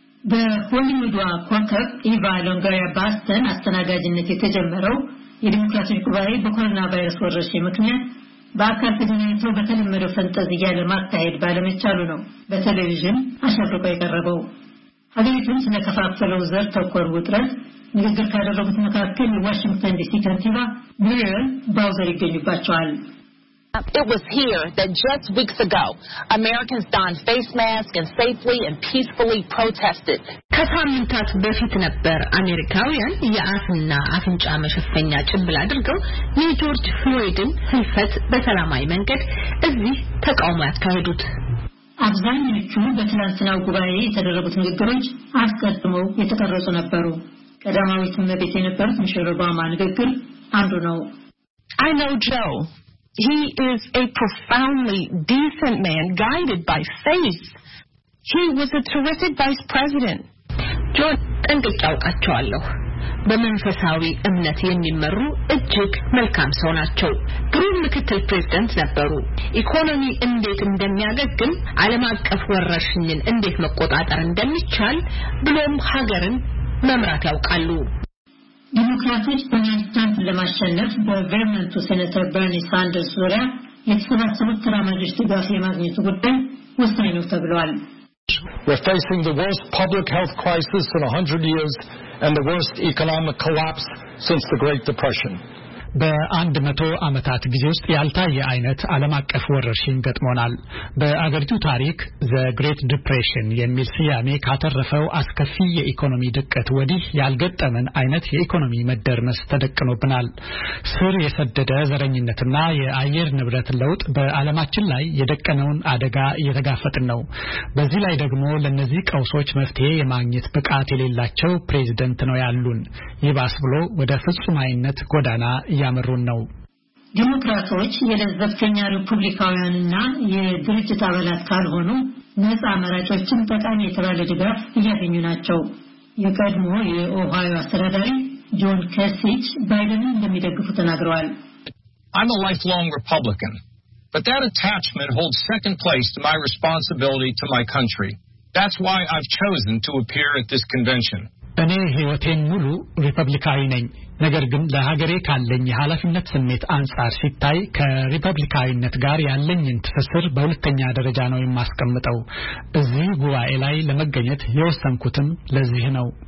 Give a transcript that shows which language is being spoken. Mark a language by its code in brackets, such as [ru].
[am] በሆሊውድዋ ኳርተር ኢቫ ሎንጋሪያ ባስተን አስተናጋጅነት የተጀመረው የዲሞክራቲክ ጉባኤ በኮሮና ቫይረስ ወረርሽኝ ምክንያት በአካል ተገናኝቶ በተለመደው ፈንጠዝያ ለማካሄድ ባለመቻሉ ነው በቴሌቪዥን አሸብርቆ የቀረበው። ሀገሪቱን ስለከፋፈለው ዘር ተኮር ውጥረት ንግግር ካደረጉት መካከል የዋሽንግተን ዲሲ ከንቲባ ሚሪየል ባውዘር ይገኙባቸዋል። [en] It was here that just weeks ago Americans donned face masks and safely and peacefully protested. [am] ከሳምንታት በፊት ነበር አሜሪካውያን የአፍና አፍንጫ መሸፈኛ ጭንብል አድርገው የጆርጅ ፍሎይድን ህልፈት በሰላማዊ መንገድ እዚህ ተቃውሞ ያካሄዱት። አብዛኞቹ በትናንትናው ጉባኤ የተደረጉት ንግግሮች አስቀድመው የተቀረጹ ነበሩ። ቀዳማዊት እመቤት የነበሩት ሚሼል ኦባማ ንግግር አንዱ ነው። [en] I know Joe. He is a profoundly decent man guided by faith. He was a terrific vice president. [am] ጆን እንግጫውቃቸዋለሁ። በመንፈሳዊ እምነት የሚመሩ እጅግ መልካም ሰው ናቸው። ግሩም ምክትል ፕሬዝዳንት ነበሩ። ኢኮኖሚ እንዴት እንደሚያገግም፣ ዓለም አቀፍ ወረርሽኝን እንዴት መቆጣጠር እንደሚቻል ብሎም ሀገርን መምራት ያውቃሉ። ዲሞክራቶች በሚያስተንት ለማሸነፍ በቨርመንቱ ሴኔተር በርኒ ሳንደርስ ዙሪያ የተሰባሰቡት ተራማጆች ድጋፍ የማግኘቱ ጉዳይ ወሳኝ ነው ተብሏል። [en] We're facing the worst public health crisis in 100 years and the worst economic collapse since the Great Depression. [am] በአንድ መቶ ዓመታት ጊዜ ውስጥ ያልታየ አይነት ዓለም አቀፍ ወረርሽኝ ገጥሞናል። በአገሪቱ ታሪክ ዘ ግሬት ዲፕሬሽን የሚል ስያሜ ካተረፈው አስከፊ የኢኮኖሚ ድቀት ወዲህ ያልገጠመን አይነት የኢኮኖሚ መደርመስ ተደቅኖብናል። ስር የሰደደ ዘረኝነትና የአየር ንብረት ለውጥ በዓለማችን ላይ የደቀነውን አደጋ እየተጋፈጥን ነው። በዚህ ላይ ደግሞ ለነዚህ ቀውሶች መፍትሄ የማግኘት ብቃት የሌላቸው ፕሬዝዳንት ነው ያሉን። ይባስ ብሎ ወደ ፍጹማይነት ጎዳና ያመሩን ነው። ዲሞክራቶች የለዘብተኛ ሪፑብሊካውያንና የድርጅት አባላት ካልሆኑ ነፃ መራጮችን በጣም የተባለ ድጋፍ እያገኙ ናቸው። የቀድሞ የኦሃዮ አስተዳዳሪ ጆን ከሲች ባይደንን እንደሚደግፉ ተናግረዋል። [en] I'm a lifelong Republican, but that attachment holds second place to my responsibility to my country. That's why I've chosen to appear at this convention. [am] እኔ ህይወቴን ሙሉ ሪፐብሊካዊ ነኝ። ነገር ግን ለሀገሬ ካለኝ ኃላፊነት ስሜት አንጻር ሲታይ ከሪፐብሊካዊነት ጋር ያለኝን ትስስር በሁለተኛ ደረጃ ነው የማስቀምጠው። እዚህ ጉባኤ ላይ ለመገኘት የወሰንኩትም ለዚህ ነው።